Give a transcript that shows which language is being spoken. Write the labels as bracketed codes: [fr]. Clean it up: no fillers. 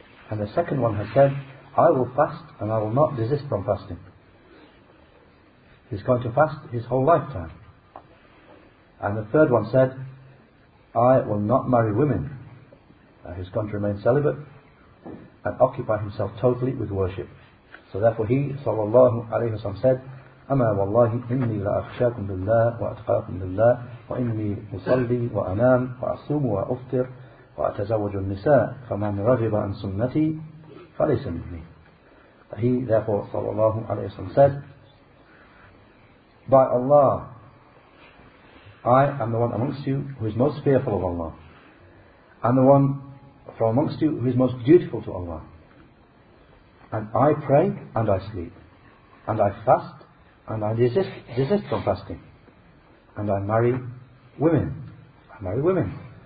[en] And the second one had said, I will fast and I will not desist from fasting. He's going to fast his whole lifetime. And the third one said, I will not marry women. He's going to remain celibate and occupy himself totally with worship. So therefore he, sallallahu alayhi wa sallam, said, [ar] أَمَا وَاللَّهِ إِنِّي لَأَخْشَاكُمْ بِاللَّهِ وَأَتْقَاكُمْ بِاللَّهِ وَإِنِّي مُصَلِّي وَأَنَامُ وَأَصُومُ وَأُفْطِرُ وَأَتَزَوَّجُ النِّسَاءِ فَمَنْ رَغِبَ عَنْ سُنَّتِي فَلَيْسَ مِنِّي. [en] He therefore, صلى الله عليه وسلم, said, by Allah, I am the one amongst you who is most fearful of Allah, and the one from amongst you who is most dutiful to Allah, and I pray and I sleep, and I fast and I desist from fasting, and I marry women. I marry women.